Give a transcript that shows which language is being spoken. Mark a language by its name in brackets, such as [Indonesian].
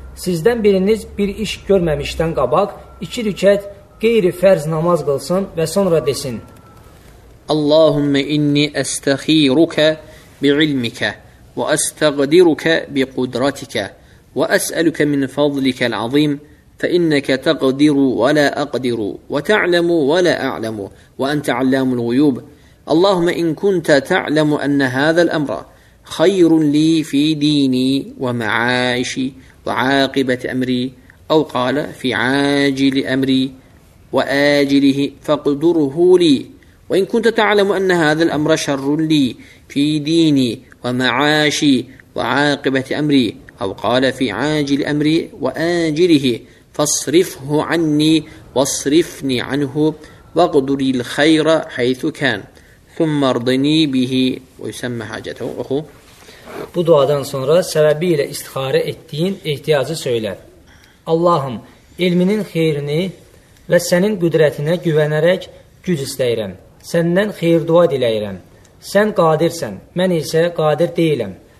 [Azerbaijani] Sizdən biriniz bir iş görməmişdən qabaq, iki rükət qeyri-fərz namaz qılsın və sonra desin. [Arabic] Allahümme inni estəxiruka bi'ilmikə və estəqdiruka bi'qudratikə və əsəlükə min fadlikəl azim. فإنك تقدر ولا أقدر وتعلم ولا أعلم وأنت علام الغيوب اللهم إن كنت تعلم أن هذا الأمر خير لي في ديني ومعايشي وعاقبة أمري أو قال في عاجل أمري وآجله فاقدره لي وإن كنت تعلم أن هذا الأمر شر لي في ديني ومعايشي وعاقبة أمري أو قال في عاجل أمري وآجله فاصرفه عني واصرفني عنه واقدري الخير حيث كان ثم ارضني به ويسمى حاجته اخو [Azerbaijani] Bu duadan sonra səbəbilə istixarə etdiyin ehtiyacı söylə. Allahım, ilminin xeyrini və sənin qüdrətinə güvənərək güc istəyirəm. Səndən xeyir dua diləyirəm. Sən qadirsən, mən isə qadir deyiləm.